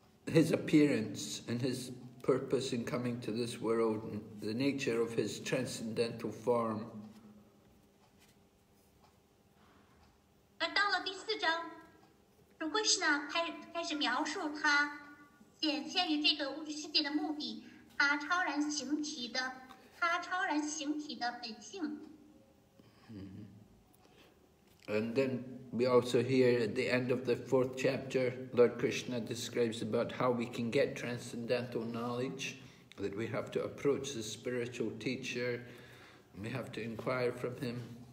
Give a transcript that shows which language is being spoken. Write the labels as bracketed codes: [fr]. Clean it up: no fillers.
[en] his appearance and his purpose in coming to this world, and the nature of his transcendental form. [zh] 而到了第四章，Krishna开始描述他显现于这个物质世界的目的，他超然形体的本性。 [en] And then we also hear at the end of the fourth chapter, Lord Krishna describes about how we can get transcendental knowledge, that we have to approach the spiritual teacher, and we have to inquire from him.